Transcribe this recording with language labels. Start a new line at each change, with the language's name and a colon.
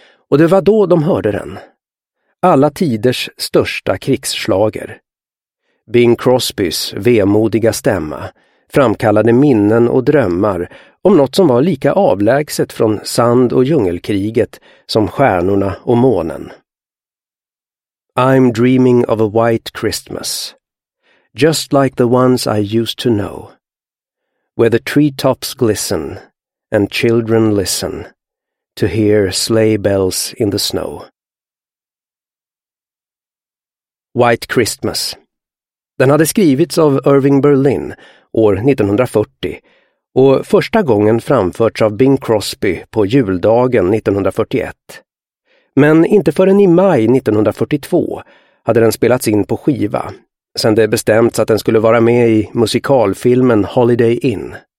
Swedish: Och det var då de hörde den. Alla tiders största krigsslager. Bing Crosbys vemodiga stämma framkallade minnen och drömmar om något som var lika avlägset från sand- och djungelkriget som stjärnorna och månen.
English: I'm dreaming of a white Christmas, just like the ones I used to know, where the treetops glisten and children listen to hear sleigh bells in the snow. White Christmas.
Swedish: Den hade skrivits av Irving Berlin år 1940 och första gången framförts av Bing Crosby på juldagen 1941. Men inte förrän i maj 1942 hade den spelats in på skiva, sedan det bestämts att den skulle vara med i musikalfilmen Holiday Inn.